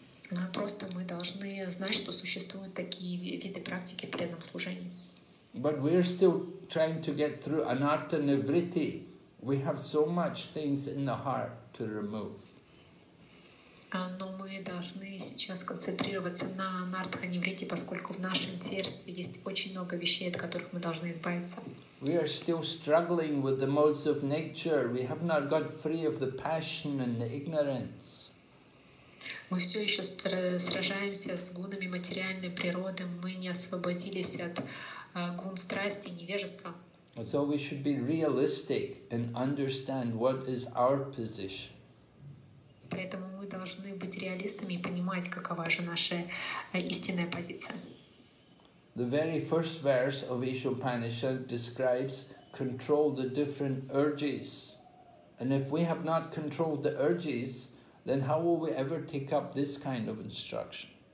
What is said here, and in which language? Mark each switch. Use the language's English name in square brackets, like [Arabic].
[Russian] Но просто мы должны знать, что существуют такие виды практики в преданном служении. [English] But we're still trying to get through anartha nivritti. We have so much things in the heart to remove. [Russian] Но мы должны сейчас концентрироваться на нардха-ниврите, поскольку в нашем сердце есть очень много вещей, от которых мы должны избавиться. [English] We are still struggling with the modes of nature. We have not got free of the passion and the ignorance. [Russian] Мы все еще сражаемся с гунами материальной природы. Мы не освободились от гун страсти и невежества. [English] So we should be realistic and understand what is our position. [Russian] Поэтому мы должны быть реалистами и понимать, какова же наша истинная позиция. [English] The very first verse of Ishopanishad describes control the different urges. And if we have not controlled the urges, then how will we ever take up this kind of instruction?